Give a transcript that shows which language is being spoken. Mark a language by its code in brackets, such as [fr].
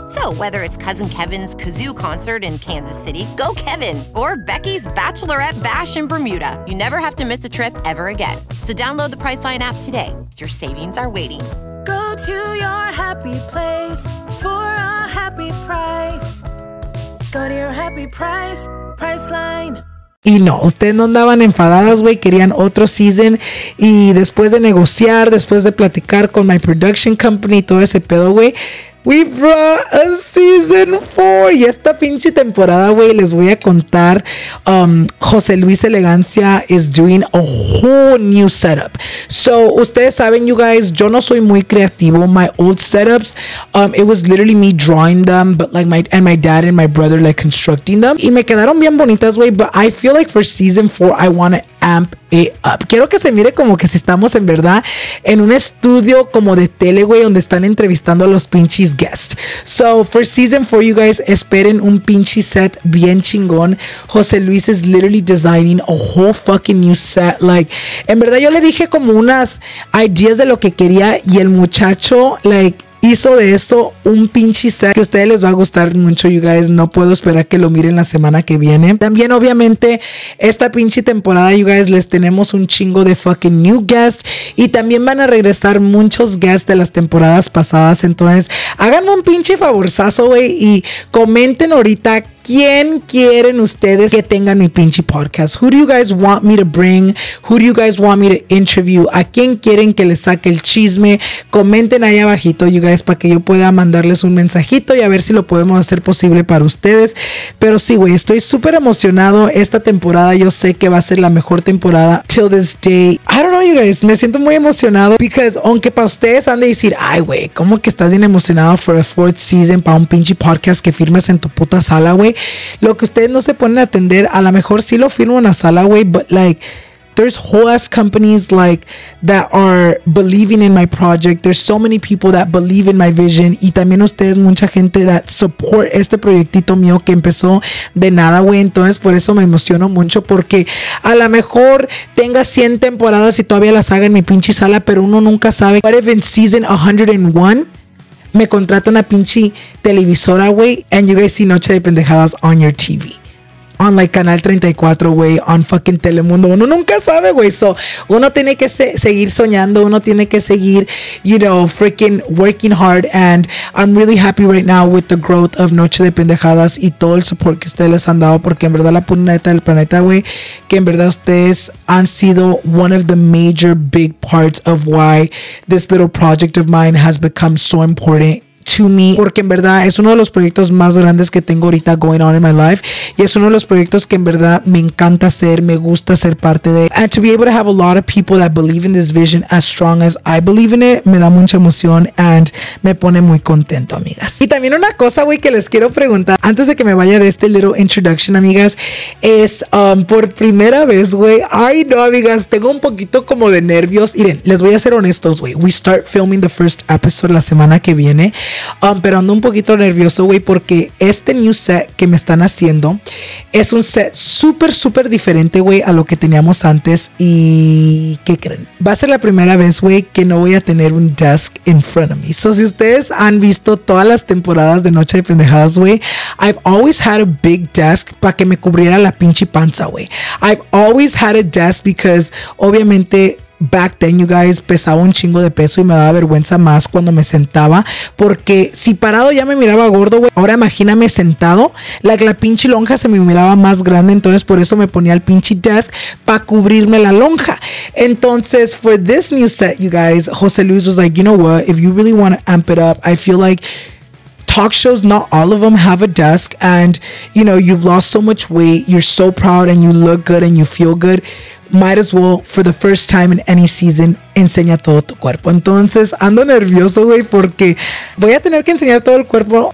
[en] So whether it's Cousin Kevin's Kazoo Concert in Kansas City, go Kevin! Or Becky's Bachelorette Bash in Bermuda, you never have to miss a trip ever again. So download the Priceline app today. Your savings are waiting. Go to your happy place for a happy price. Go to your happy price, Priceline. [es] Y no, ustedes no andaban enfadadas, güey, querían otro season. Y después de negociar, después de platicar con [en] my production company [es] y todo ese pedo, güey, [en] we brought a season 4. [es] Y esta pinche temporada, güey, les voy a contar, José Luis Elegancia [en] is doing a whole new setup. [es] So, ustedes saben, you guys, yo no soy muy creativo. [en] My old setups, it was literally me drawing them, but like my dad and my brother like constructing them. [es] Y me quedaron bien bonitas, güey, [en] but I feel like for season 4 I want to amp it up. [es] Quiero que se mire como que si estamos en verdad en un estudio como de tele, güey, donde están entrevistando a los pinches guests. So, [en] for season 4, you guys, [es] esperen un pinche set bien chingón. [en] José Luis is literally designing a whole fucking new set. [es] Like, en verdad yo le dije como unas ideas de lo que quería y el muchacho, like, hizo de esto un pinche set que a ustedes les va a gustar mucho, you guys. No puedo esperar que lo miren la semana que viene. También, obviamente, esta pinche temporada, you guys, les tenemos un chingo de [en] fucking new guests. [es] Y también van a regresar muchos guests de las temporadas pasadas. Entonces, háganme un pinche favorzazo, güey, y comenten ahorita, ¿quién quieren ustedes que tengan mi pinche podcast? [en] Who do you guys want me to bring? Who do you guys want me to interview? [es] ¿A quién quieren que les saque el chisme? Comenten ahí abajito, you guys, para que yo pueda mandarles un mensajito y a ver si lo podemos hacer posible para ustedes. Pero sí, güey, estoy súper emocionado. Esta temporada yo sé que va a ser la mejor temporada [en] till this day. I don't know, you guys. [es] Me siento muy emocionado because aunque para ustedes han de decir, ay, güey, ¿cómo que estás bien emocionado [en] for a fourth season [es] para un pinche podcast que firmes en tu puta sala, güey? Lo que ustedes no se ponen a atender, a lo mejor sí lo firmo en la sala, güey, [en] but like, there's whole ass companies like that are believing in my project. There's so many people that believe in my vision. [es] Y también ustedes, mucha gente [en] that support [es] este proyectito mío que empezó de nada, güey. Entonces, por eso me emociono mucho, porque a lo mejor tenga 100 temporadas y todavía las haga en mi pinche sala, pero uno nunca sabe. [en] What if in season 101 [es] me contrata una pinche televisora, güey, [en] and you guys see Noche de Pendejadas on your TV, on like Canal 34, güey, on fucking Telemundo? [es] Uno nunca sabe, güey. So uno tiene que seguir soñando, uno tiene que seguir, [en] you know, freaking working hard. And I'm really happy right now with the growth [es] of Noche de Pendejadas y todo el support que ustedes les han dado, porque en verdad la puneta del planeta, güey, que en verdad ustedes han sido [en] one of the major big parts of why this little project of mine has become so important to me, [es] porque en verdad es uno de los proyectos más grandes que tengo ahorita [en] going on in my life, [es] y es uno de los proyectos que en verdad me encanta hacer, me gusta ser parte de. [en] And to be able to have a lot of people that believe in this vision as strong as I believe in it, [es] me da mucha emoción [en] and [es] me pone muy contento, amigas. Y también una cosa, güey, que les quiero preguntar antes de que me vaya de este [en] little introduction, [es] amigas, es por primera vez, güey, ay no, amigas, tengo un poquito como de nervios. Miren, les voy a ser honestos, güey, [en] we start filming the first episode [es] la semana que viene. Pero ando un poquito nervioso, güey, porque este new set que me están haciendo es un set súper, súper diferente, güey, a lo que teníamos antes. Y ¿qué creen? Va a ser la primera vez, güey, que no voy a tener un desk [en] in front of me. [es] So, si ustedes han visto todas las temporadas de Noche de Pendejadas, güey, [en] I've always had a big desk [es] para que me cubriera la pinche panza, güey. [en] I've always had a desk because, [es] obviamente, [en] back then, you guys, [es] pesaba un chingo de peso y me daba vergüenza más cuando me sentaba, porque si parado ya me miraba gordo, güey. Ahora imagíname sentado, like, la pinche lonja se me miraba más grande. Entonces por eso me ponía el pinche desk para cubrirme la lonja. [en] Entonces, for this new set, you guys, José Luis was like, you know what, if you really want to amp it up, I feel like talk shows, not all of them have a desk, and you know, you've lost so much weight, you're so proud and you look good and you feel good. might as well, for the first time in any season, [es] enseña todo tu cuerpo. Entonces, ando nervioso, güey, porque voy a tener que enseñar todo el cuerpo.